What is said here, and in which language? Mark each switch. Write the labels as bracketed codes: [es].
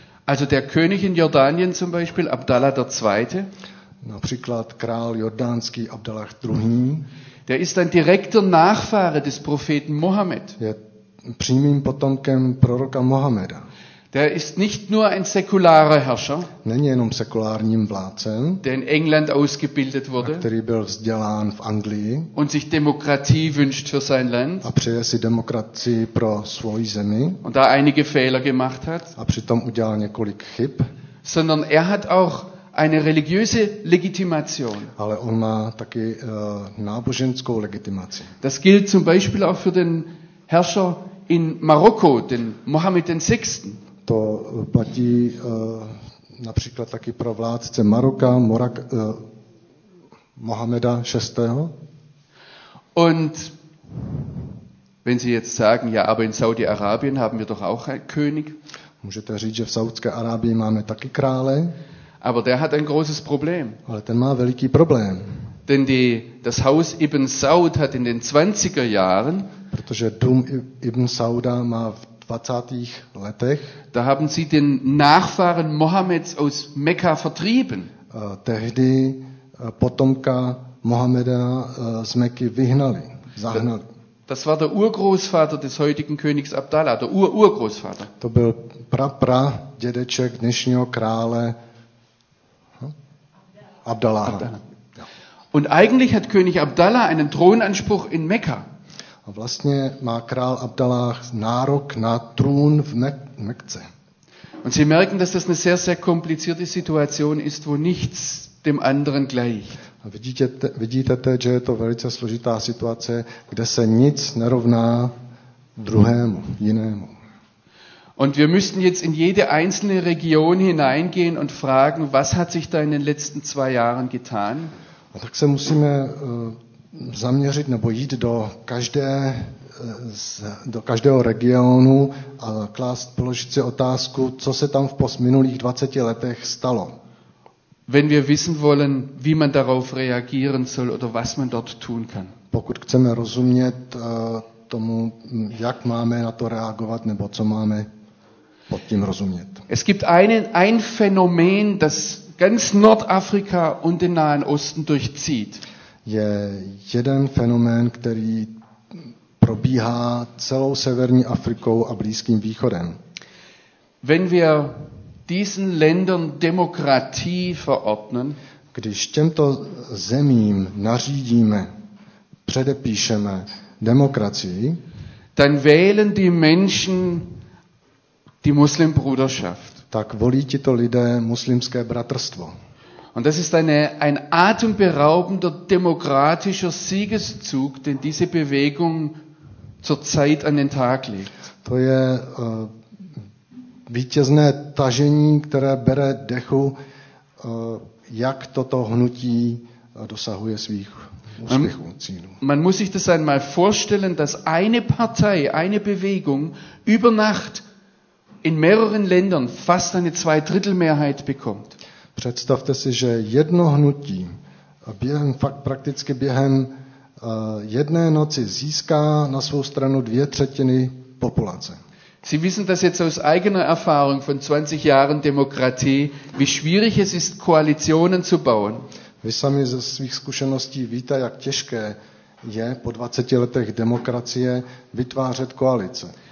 [de] Also der König in Jordanien zum Beispiel, Abdallah der Zweite. [cs] Například král jordánský Abdallah II. [de] Der ist ein direkter Nachfahre des Propheten Mohammed. [cs] Je přímým potomkem proroka Mohameda. [de] Der ist nicht nur ein säkularer Herrscher. [cs] Není jenom sekulárním vládcem. [de] Der in England ausgebildet wurde. [cs] A který byl vzdělán v Anglii. [de] Und sich Demokratie wünscht für sein Land. [cs] A přeje si demokracii pro svoji zemi. [de] Und da einige Fehler gemacht hat. [cs] A přitom udělal několik chyb. [de] Sondern er hat auch eine religiöse Legitimation. [cs] Ale on má taky náboženskou legitimaci. [de] Das gilt zum Beispiel auch für den Herrscher in Marokko, den Mohammed den VI. [cs] To platí například taky pro vládce Maroka, Mohameda VI. [de] Und wenn Sie jetzt sagen, ja, aber in Saudi-Arabien haben wir doch auch einen König. [cs] Můžete říct, že v Saudské Arábii máme taky krále. [de] Aber der hat ein großes Problem. [cs] Ale ten má veliký problém. [de] Denn das Haus Ibn Saud hat in den 20er Jahren. [cs] Protože dům Ibn Sauda má v 20. letech. [de] Da haben sie den Nachfahren Mohammeds aus Mekka vertrieben. [cs] Tehdy potomka Mohameda z Mekky vyhnali, zahnali. [de] Das war der Urgroßvater des heutigen Königs Abdallah, der Urgroßvater. [cs] To byl pra dědeček dnešního krále Abdallah. [de] Und eigentlich hat König Abdallah einen Thronanspruch in Mekka. [cs] A vlastně má král Abdallah nárok na trůn v Mekce. [de] Und Sie merken, dass das eine sehr sehr komplizierte Situation ist, wo nichts dem anderen gleicht. [cs] A vidíte, že je to velice složitá situace, kde se nic nerovná druhému, jinému. [de] Und wir müssten jetzt in jede einzelne Region hineingehen und fragen, was hat sich da in den letzten zwei Jahren getan? [cs] A tak se musíme zaměřit nebo jít do každé do každého regionu a klást, položit si otázku, co se tam v minulých 20 letech stalo. [de] Wenn wir wissen wollen, wie man darauf reagieren soll oder was man dort tun kann. [cs] Pokud chceme rozumět tomu, jak máme na to reagovat nebo co máme pod tím rozumět. [de] Es gibt ein Phänomen, das ganz Nordafrika und den Nahen Osten durchzieht. [cs] Je jeden fenomén, který probíhá celou severní Afrikou a Blízkým východem. [de] Wenn wir diesen Ländern Demokratie verordnen, [cs] když těmto zemím nařídíme, předepíšeme demokracii, [de] dann wählen die Menschen die Muslimbruderschaft. [cs] Tak volí tito lidé muslimské bratrstvo. [de] Und das ist ein atemberaubender demokratischer Siegeszug, den diese Bewegung zurzeit an den Tag legt. [cs] To je vítězné tažení, které bere dechu, jak toto hnutí dosahuje svých úspěchů, cílů. [de] Man muss sich das einmal vorstellen, dass eine Partei, eine Bewegung über Nacht in mehreren Ländern fast eine Zweidrittelmehrheit bekommt. [cs] Představte si, že jedno hnutí během, fakt prakticky během jedné noci získá na svou stranu 2/3 populace. [de] Sie wissen das jetzt aus eigener Erfahrung von 20 Jahren Demokratie, wie schwierig es ist, Koalitionen zu bauen. [cs] Vy sami ze svých zkušeností víte, jak těžké je po 20 letech demokracie vytvářet koalice.